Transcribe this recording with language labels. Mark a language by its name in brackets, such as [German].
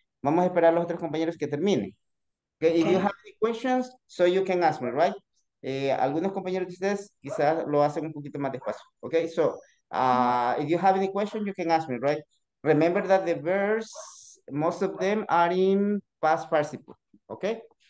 [Spanish] Vamos a esperar a los otros compañeros que terminen. [English] Okay, if you have any questions, so you can ask me, right? [Spanish] Algunos compañeros de ustedes quizás lo hacen un poquito más despacio. [English] Okay, so if you have any questions, you can ask me, right? Remember that the verbs, most of them are in past participle, okay?